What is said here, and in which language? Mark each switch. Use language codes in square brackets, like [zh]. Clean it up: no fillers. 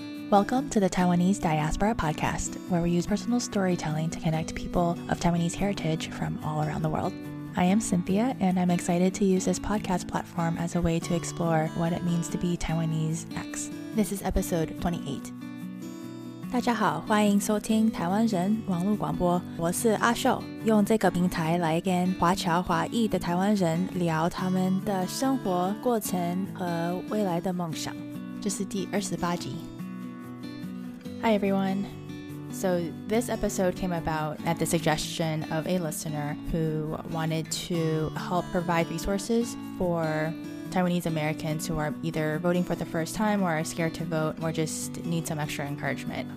[en] Welcome to the Taiwanese Diaspora Podcast, where we use personal storytelling to connect people of Taiwanese heritage from all around the world. I am Cynthia, and I'm excited to use this podcast platform as a way to explore what it means to be Taiwanese X. This is episode 28. [zh] 大家好，欢迎收听台湾人网络广播，我是阿秀，用这个平台来跟华侨华裔的台湾人聊他们的生活过程和未来的梦想。这是第28集。 [en] Hi everyone. So this episode came about at the suggestion of a listener who wanted to help provide resources for Taiwanese Americans who are either voting for the first time or are scared to vote or just need some extra encouragement.